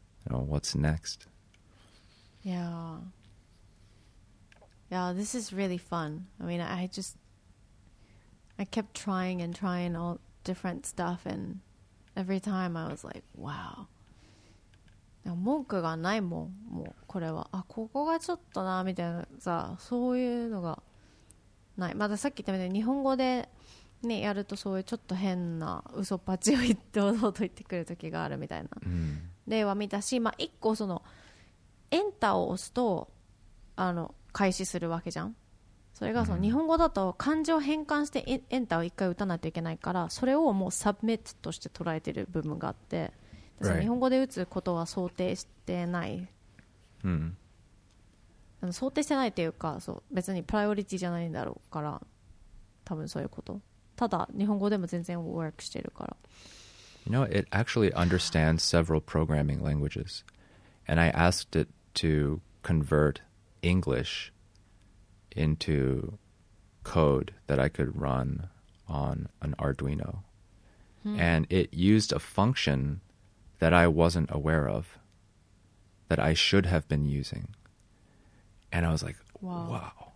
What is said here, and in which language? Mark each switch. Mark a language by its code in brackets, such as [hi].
[en] You know, what's next? Yeah. Yeah, this is really fun. I mean, I kept trying and trying all different stuff, and every time I was like, wow. [ja] 文句がないもん、もうこれは。あ、ここがちょっとな、みたいなさ、そういうのが。ない。まださっき言ったみたいに日本語でねやるとそういうちょっと変な嘘っぱちを言って堂々と言ってくる時があるみたいな、うん、では見たし、まあ一個そのエンターを押すとあの開始するわけじゃん。それがその日本語だと漢字を変換してエンターを一回打たないといけないから、それをもうサブミットとして捉えてる部分があって、その日本語で打つことは想定してない、うん、想定してないというか、そう別にプライオリティじゃないんだろうから、多分そういうこと。ただ日本語でも全然ワークしてるから。 [en] You know, it actually understands several programming languages, and I asked it to convert English into code that I could run on an Arduino, and it used a function that I wasn't aware of that I should have been usingAnd I was like, wow.